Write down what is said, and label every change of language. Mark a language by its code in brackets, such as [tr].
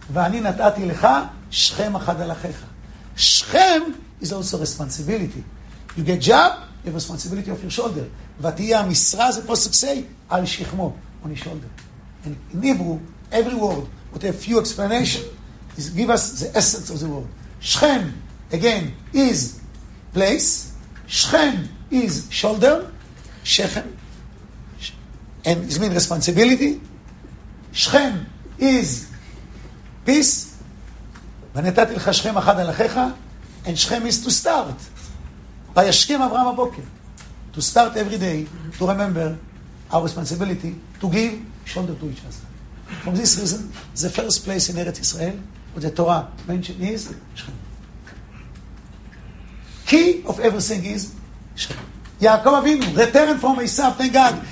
[he] ואני נתתי לך Shchem אחד על אחיך. [en] Shchem is also responsibility. You get job, you have responsibility of your shoulder. [he] ותהיה המשרה, זה פוסק סי, על שכמו, [en] on his shoulder. And in Hebrew, every word, with a few explanations, give us the essence of the word. Shchem, again, is place. Shchem is shoulder. Shechem. And it means responsibility. Shchem is peace. [he] ונתתי לך Shchem אחד על אחיך. [en] And Shchem is to start. [he] וישכם אברהם הבוקר. [en] To start every day, to remember our responsibility, to give shoulder to each other. From this reason, the first place in Eretz Israel, what the Torah mentioned is, Shchem. Key of everything is, Shchem. Yaakov Avinu, return from Esav, thank God.